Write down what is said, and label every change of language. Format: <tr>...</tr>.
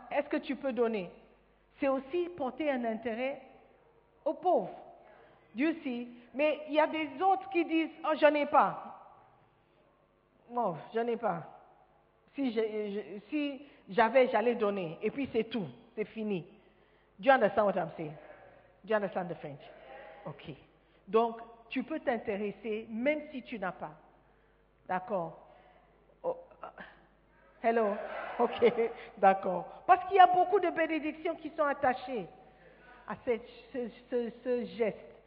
<fr>Est-ce que tu peux donner? C'est aussi porter un intérêt aux pauvres. Dieu sait. Mais il y a des autres qui disent, « Oh, je n'ai pas. Bon, je n'ai pas. Si j'avais, j'allais donner, et puis c'est tout, c'est fini.</fr> <en>Do you understand what I'm saying? Do you understand the French? Ok.</en> <fr>Donc, tu peux t'intéresser, même si tu n'as pas. D'accord? Oh. Hello? Ok, d'accord. Parce qu'il y a beaucoup de bénédictions qui sont attachées à ce geste.</fr>